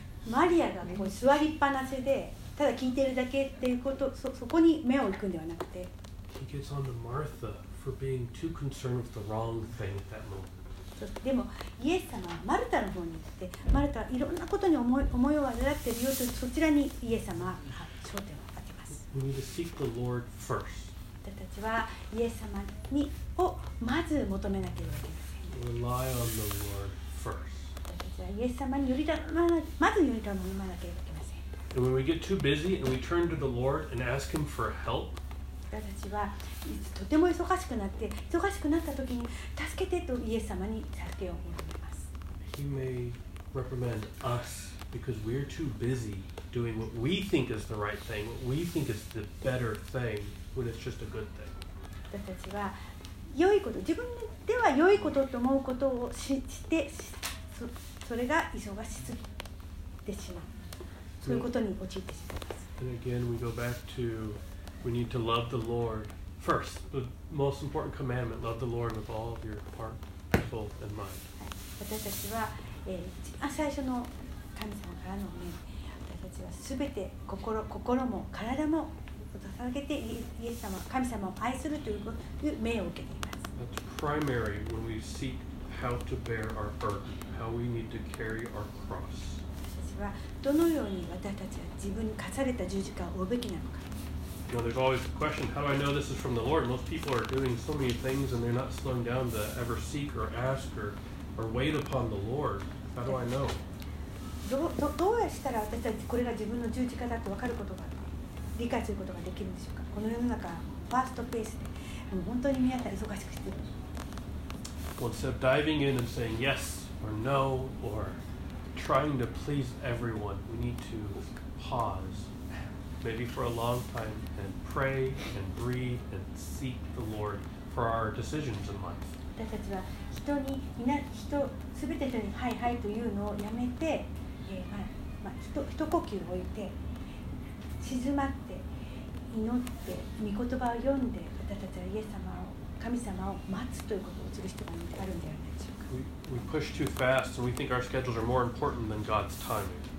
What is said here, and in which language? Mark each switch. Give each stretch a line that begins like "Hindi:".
Japanese: マリアがこう座りっぱなしでただ聞いてるだけっていうこと、そこに目を置くんではなくて、
English: he gets on to Martha for being too concerned with the wrong thing at that moment.
Japanese: でもイエス様はマルタの方に行って、マルタはいろんなことに思いを患っているよと、そちらにイエス様が焦点を当てます。
English: We need to seek the Lord first.
Japanese: 私たちはイエス様にをまず求めなければいけません。
English: Rely on the Lord first.
Japanese: 私たちはイエス様によりだ、まずよりだのままなければいけません。
English: And when we get too busy and we turn to the Lord and ask him for help,
Japanese: 私たちはとても忙しくなって、忙しくなった時に助けてとイエス様に助けを求めます。
English: He may reprimand us because we're too busy doing what we think is the right thing, what we think is the better thing, when it's just a good thing.
Japanese: 私たちは良いこと、自分では良いことと思うことをして、それが忙しすぎてしまう、そういうことに陥ってしまいます。
English: And again we go back toWe need to love the Lord first. The most important commandment: love the Lord with all of your heart, soul, and mind.
Japanese: 私たちは、一番最初の神様からの命令。私たちはすべて心も体も捧げてイエス様、神様を愛するという命を受けています。
English: That's primary when we seek how to bear our burden, how we need to carry our cross.
Japanese: 私たちはどのように私たちは自分に課された十字架を負うべきなのか。
English: Now there's always a question, how do I know this is from the Lord? Most people are doing so many things and they're not slowing down to ever seek or ask or wait upon the Lord. How do I know?
Japanese: どうしたら私たちこれが自分の十字架だと分かることが、理解することができるんでしょうか？この世の中ファーストペースで、もう本当に皆さん忙しくしてる。
English: Well, instead of diving in and saying yes or no or trying to please everyone, we need to pause. Maybe for a long time, and pray and breathe and seek the Lord for our decisions in life.
Japanese: 私たちは人すべて人にはいはいというのをやめて、まあ、一呼吸を置いて静まって祈って御言葉を読んで、私たちはイエス様を神様を待つということをする人があるんではないでしょうか。
English: We push too fast, and we think our schedules are more important than God's timing.